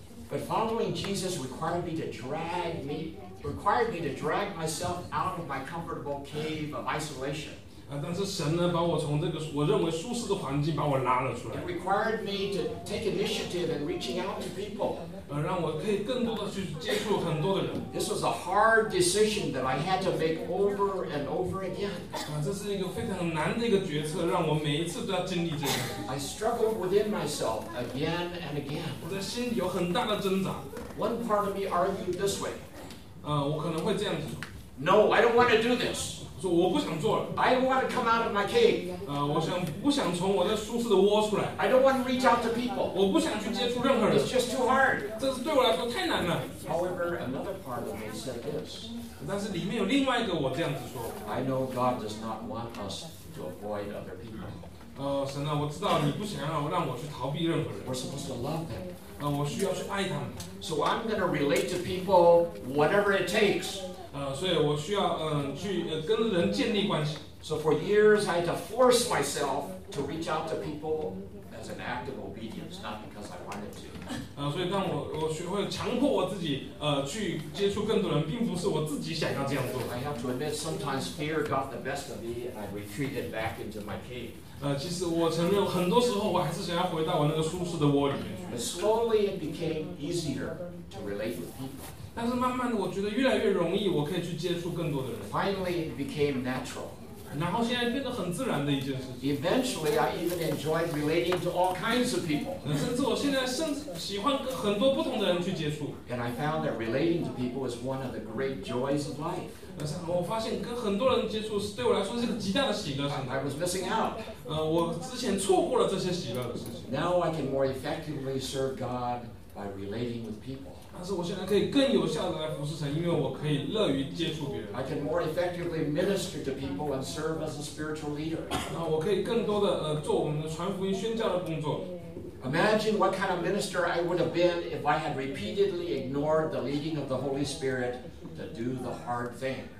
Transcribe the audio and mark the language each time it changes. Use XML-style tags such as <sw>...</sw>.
<en>But following Jesus required me to drag myself out of my comfortable cave of isolation.</en> <zh>但是神呢，把我从这个我认为舒适的环境把我拉了出来。</zh> <en>It required me to take initiative in reaching out to people.</en> <zh>让我可以更多的去接触很多的人。</zh> <en>This was a hard decision that I had to make over and over again.</en> <zh>这是一个非常难的一个决策，让我每一次都要经历这个。</zh> <en>I struggled within myself again and again.</en> <zh>我的心有很大的挣扎。</zh> <en>One part of me argued this way.</en> <zh>我可能会这样子。</zh> <en>No, I don't want to do this.</en> <zh>说我不想做了。</zh> <en>I don't want to come out of my cave.</en> <zh>我不想从我的舒适的窝出来。</zh> <en>I don't want to reach out to people.</en> <zh>我不想去接触任何人。</zh> <en>It's just too hard.</en> <zh>这是对我来说太难了。</zh> <en>However, another part of me said this.</en> <zh>但是里面有另外一个我这样子说。</zh> <en>I know God does not want us to avoid other people.</en> <zh>神啊，我知道你不想让我去逃避任何人。</zh> <en>We're supposed to love them.</en> <zh>我需要去爱他们。</zh> <en>So I'm going to relate to people whatever it takes.</en> <zh>所以我需要去跟人建立关系。</zh> <en>So for years, I had to force myself to reach out to people as an act of obedience, not because I wanted to.</en> <zh>所以当我学会强迫我自己去接触更多人，并不是我自己想要这样做。</zh> <en>I have to admit, sometimes fear got the best of me, and I retreated back into my cave.</en> <zh>其实我承认，很多时候我还是想要回到我那个舒适的窝里面去。</zh> <en>But slowly, it became easier to relate with people.</en> <zh>但是慢慢的，我觉得越来越容易，我可以去接触更多的人。</zh> <en>Finally, it became natural.</en> <zh>然后现在变得很自然的一件事。</zh> <en>Eventually, I even enjoyed relating to all kinds of people.</en> <zh>甚至我现在甚至喜欢跟很多不同的人去接触。</zh> <en>And I found that relating to people is one of the great joys of life.</en> <zh>我发现跟很多人接触是对我来说是个极大的喜乐。</zh> <en>I was missing out.</en> <zh>我之前错过了这些喜乐的事情。</zh> <en>Now I can more effectively serve God by relating with people.</en> <zh>但是我现在可以更有效地来服侍神，因为我可以乐于接触别人。</zh> <en>I can more effectively minister to people and serve as a spiritual leader.</en> <zh>然后我可以更多的做我们的传福音宣教的工作。</zh> <en>Imagine what kind of minister I would have been if I had repeatedly ignored the leading of the Holy Spirit to do the hard thing.</en>